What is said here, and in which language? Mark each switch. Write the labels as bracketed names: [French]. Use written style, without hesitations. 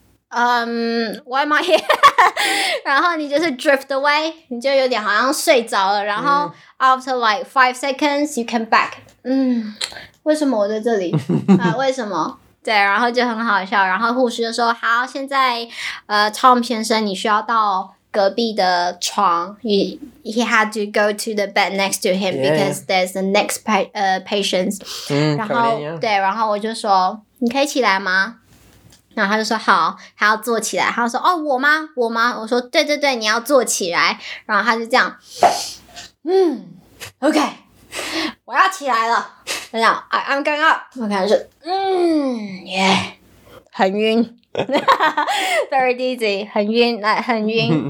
[English] Why am I here? [Chinese] 然后你就是 [English] drift away, [Chinese] 你就有点好像睡着了。然后 [English] after like 5 seconds, you come back. [Chinese] 嗯，为什么我在这里？啊，为什么？对，然后就很好笑。然后护士就说：“好，现在，Tom 先生，你需要到隔壁的床。 [English] He had to go to the bed next to him because there's the next patient. [Chinese] 然后对，然后我就说：你可以起来吗？” 然后他就说好，他要坐起来。他说哦，我吗？我吗？我说对对对，你要坐起来。然后他就这样，嗯 ，OK， 我要起来了。然后 [English] I'm going up。 [Chinese] 我开始，yeah， 很晕， [English] very dizzy， [Chinese] 很晕，来很晕。